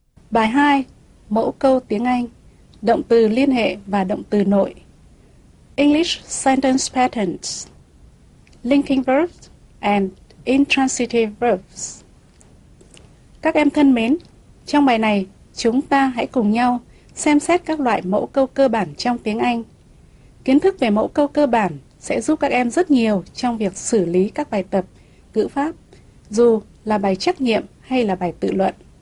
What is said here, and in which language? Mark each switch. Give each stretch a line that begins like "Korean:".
Vietnamese: Bài 2. Mẫu câu tiếng Anh. Động từ liên hệ và động từ nội.
English: English sentence patterns. Linking verbs and intransitive verbs.
Vietnamese: Các em thân mến, trong bài này, chúng ta hãy cùng nhau xem xét các loại mẫu câu cơ bản trong tiếng Anh. Kiến thức về mẫu câu cơ bản sẽ giúp các em rất nhiều trong việc xử lý các bài tập, ngữ pháp, dù là bài trắc nghiệm hay là bài tự luận.